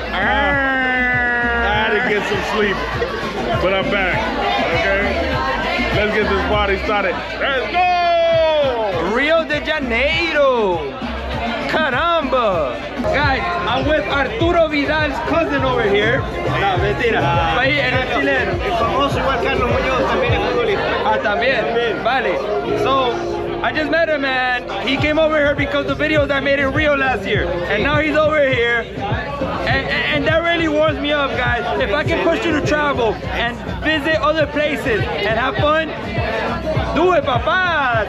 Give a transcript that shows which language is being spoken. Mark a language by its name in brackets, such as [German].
[English] I had to get some sleep, but I'm back, okay? Let's get this party started. Let's go! Rio de Janeiro! Caramba! Guys, I'm with Arturo Vidal's cousin over here. [Spanish] No, mentira. Ahí, en el chileno. El famoso igual Carlos Muñoz, también es futbolista. Ah, también. Vale. [English] So, I just met him, man. He came over here because the videos I made in Rio last year. And now he's over here. And that really warms me up, guys. If I can push you to travel and visit other places and have fun, do it, papa.